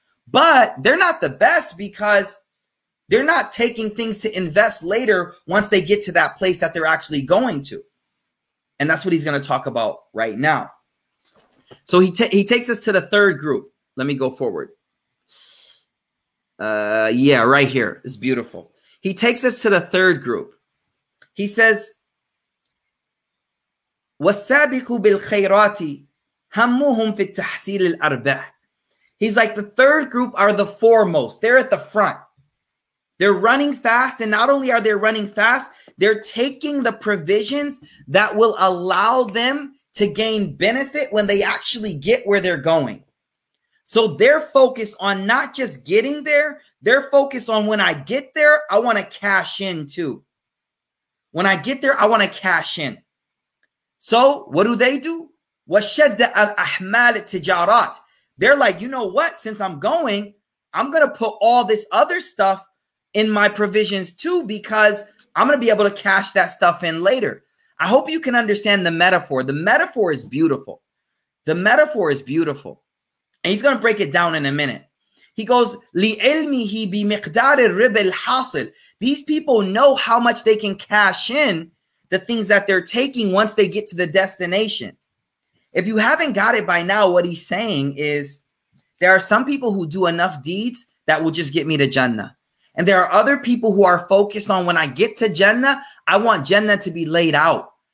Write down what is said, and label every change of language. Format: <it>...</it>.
<en>But they're not the best, because they're not taking things to invest later once they get to that place that they're actually going to. And that's what he's going to talk about right now. So he takes us to the third group. Let me go forward. Right here. It's beautiful. He takes us to the third group. He says,</en> <ar>وَالسَّابِقُ بِالْخَيْرَاتِ هَمُّهُمْ فِي التَّحْسِيلِ الْأَرْبَحِ.</ar> <en>He's like, the third group are the foremost. They're at the front. They're running fast. And not only are they running fast, they're taking the provisions that will allow them to gain benefit when they actually get where they're going. So they're focused on not just getting there, they're focused on, when I get there, I want to cash in too. When I get there, I want to cash in. So what do they do?</en> <ar>وَشَدَّ أَحْمَالِ تِجَارَاتِ.</ar> <en>They're like, you know what? Since I'm going, I'm going to put all this other stuff in my provisions too, because I'm going to be able to cash that stuff in later. I hope you can understand the metaphor. The metaphor is beautiful. The metaphor is beautiful. And he's going to break it down in a minute. He goes,</en> <ar>لِعِلْمِهِ بِمِقْدَارِ الرِّبِ الْحَاصِلِ.</ar> <en>These people know how much they can cash in the things that they're taking once they get to the destination. If you haven't got it by now, what he's saying is, there are some people who do enough deeds that will just get me to Jannah. And there are other people who are focused on, when I get to Jannah, I want Jannah to be laid out.</en>